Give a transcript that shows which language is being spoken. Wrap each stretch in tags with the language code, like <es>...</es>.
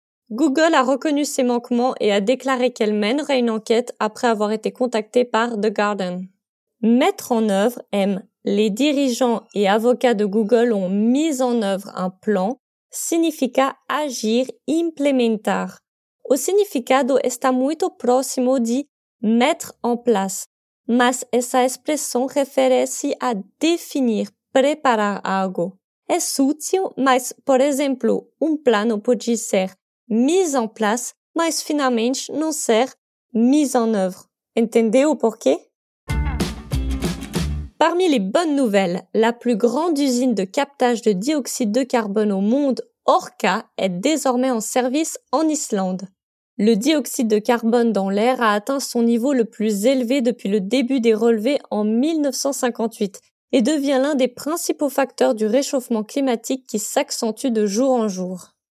<fr>Google a reconnu ses manquements et a déclaré qu'elle mènerait une enquête après avoir été contactée par The Guardian. Mettre en œuvre, M. Les dirigeants et avocats de Google ont mis en œuvre un plan</fr> <pt>significa agir, implementar. O significado está muito próximo de</pt> <fr>mettre en place,</fr> <pt>mas essa expressão refere-se a definir, preparar algo. É útil, mas, por exemplo, plano pode ser mis en place, mas finalmente não ser mis en œuvre. Entendeu o porquê?</pt> <fr>Parmi les bonnes nouvelles, la plus grande usine de captage de dioxyde de carbone au monde, Orca, est désormais en service en Islande. Le dioxyde de carbone dans l'air a atteint son niveau le plus élevé depuis le début des relevés en 1958 et devient l'un des principaux facteurs du réchauffement climatique qui s'accentue de jour en jour.</fr>